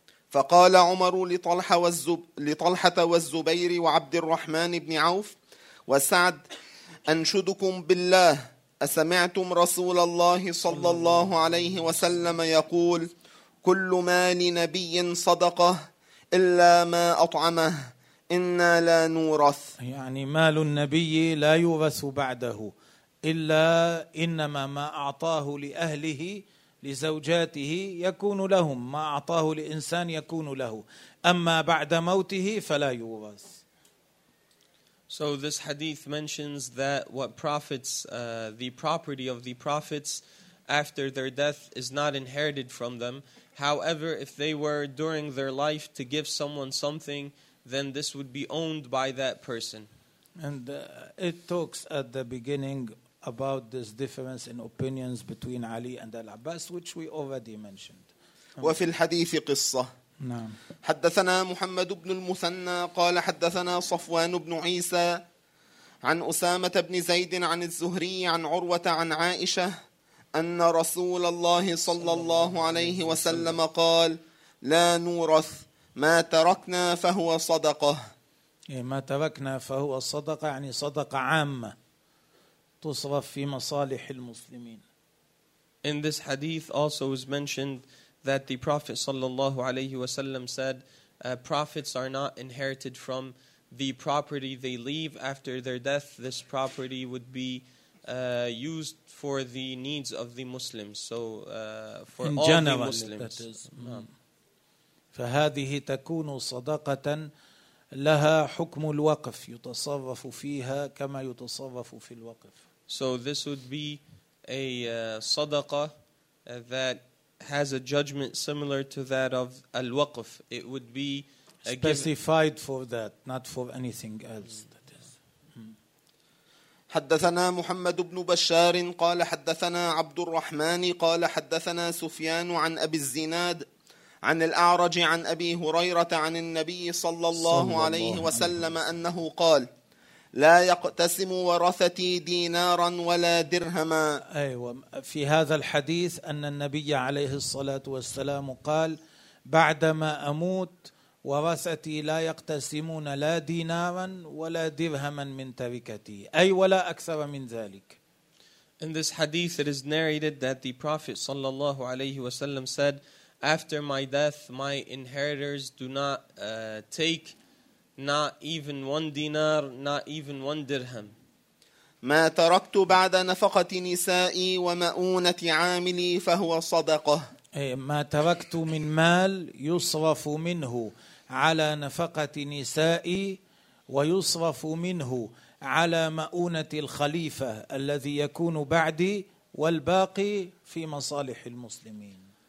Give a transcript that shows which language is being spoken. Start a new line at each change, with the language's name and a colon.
Arabic: فقال عمر لطلحة والزبير وعبد الرحمن بن عوف وسعد أنشدكم بالله أسمعتم رسول الله صلى الله عليه وسلم يقول كل ما لنبي صدقه إلا ما أطعمه إنا لا نورث. يعني مال النبي لا يورث بعده إلا إنما ما أعطاه لأهله لزوجاته يكون لهم، ما أعطاه لإنسان يكون له، أما بعد موته فلا يورث.
English: So this hadith mentions that what prophets, the property of the prophets after their death is not inherited from them. However, if they were during their life to give someone something, then this would be owned by that person. And it talks at the beginning about this difference in opinions between Ali and Al-Abbas, which we already mentioned.
Arabic: وفي الحديث قصة. نعم. حدثنا محمد بن المثنى قال حدثنا صفوان بن عيسى عن أسامة بن زيد عن الزهري عن عروة عن عائشة أن رسول الله صلى الله عليه وسلم قال لا نورث ما تركنا فهو صدقة. ما تركنا فهو صدقة يعني صدقة عامة تصرف في مصالح المسلمين.
English: In this hadith also is mentioned that the Prophet sallallahu alayhi wasallam said, prophets are not inherited from the property they leave after their death. This property would be used for the needs of the Muslims. So for in all general, the Muslims. That is.
Arabic: فهذه تكون صدقة لها حكم الوقف يتصرف فيها كما يتصرف في الوقف.
English: So this would be a sadaqah that has a judgment similar to that of al-waqf. It would be specified for that, not for anything else. That is.
Arabic: حدثنا محمد بن بشار قال حدثنا عبد الرحمن قال حدثنا سفيان عن أبي الزناد عن الأعرج عن أبي هريرة عن النبي صلى الله عليه وسلم أنه قال لا يقتسم ورثتي دينارا ولا درهما. أيوة، في هذا الحديث أن النبي عليه الصلاة والسلام قال بعدما أموت ورثتي لا يقتسمون لا دينارا ولا درهما من تركتي، أي ولا أكثر من ذلك.
English: In this hadith it is narrated that the Prophet sallallahu alayhi wa sallam said, after my death my inheritors do not take not even one dinar, not even one dirham.
Arabic: ما تركت بعد نفقة نسائي ومؤونة عاملي فهو صدقة. ما تركت من مال يصرف منه على نفقة نسائي ويصرف منه على مؤونة الخليفة الذي يكون بعدي والباقي في مصالح المسلمين.